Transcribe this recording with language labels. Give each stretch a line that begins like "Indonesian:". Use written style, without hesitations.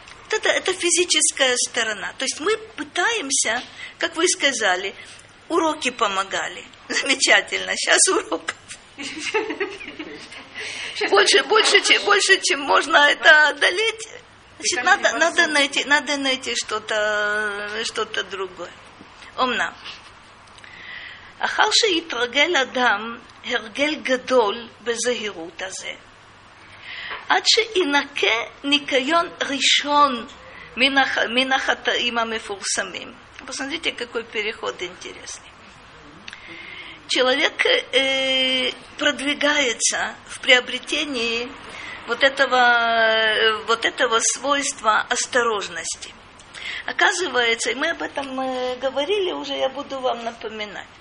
Russian: Вот это физическая сторона. То есть мы пытаемся, как вы сказали, уроки помогали. Замечательно, сейчас урок. Больше, чем можно это одолеть, значит, надо найти что-то другое.
Hebrew: אמנם, אחר שיתרגל אדם הרגל גדול בזהירות הזה, עד שינקה ניקיון ראשון מן החטאים המפורסמים.
Russian: Посмотрите, какой переход интересный. Человек продвигается в приобретении вот этого свойства осторожности. Оказывается, и мы об этом говорили уже, я буду вам напоминать.